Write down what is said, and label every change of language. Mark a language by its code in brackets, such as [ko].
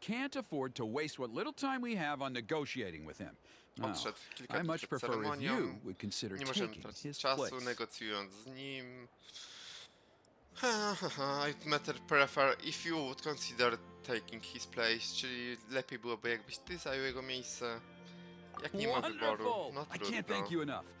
[pl] jakbyśmy Kinicza zawołali. Odszedł kilka dni przed ceremonią. Nie możemy tracić czasu negocjując z nim. [en] I'd better prefer if you would consider taking his place. [pl] Czyli lepiej byłoby, jakbyś ty zajął jego miejsce. Jak nie ma wyboru, no trudno.